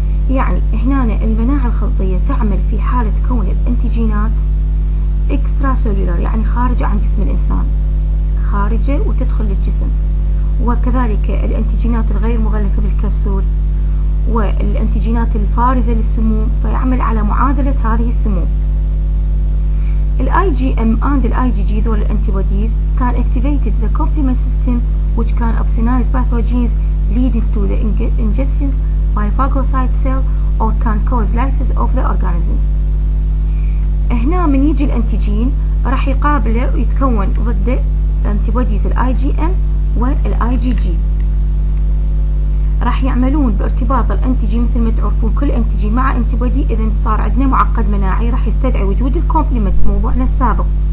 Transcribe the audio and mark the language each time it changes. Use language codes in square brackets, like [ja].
[ar] يعني هنا المناعة الخلطية تعمل في حالة كون الأنتيجينات extracellular يعني خارجة عن جسم الإنسان خارجة وتدخل للجسم وكذلك الأنتيجينات الغير مغلفة بالكبسول والأنتيجينات الفارزة للسموم فيعمل على معادلة هذه السموم. [en] IgM and IgG [ar] ذول الأنتيبوديز [en] can activate the complement system which can opsonize pathogens leading to the ingestion by phagocyte cell or can cause lysis of the organisms. [ar] هنا من يجي الأنتيجين راح يقابله ويتكون ضد الأنتيبوديز IgM والIgG راح يعملون بارتباط الأنتيجين مثل ما تعرفون كل أنتيجين مع أنتيبودي إذا صار عندنا معقد مناعي راح يستدعي وجود الكومبليمنت موضوعنا السابق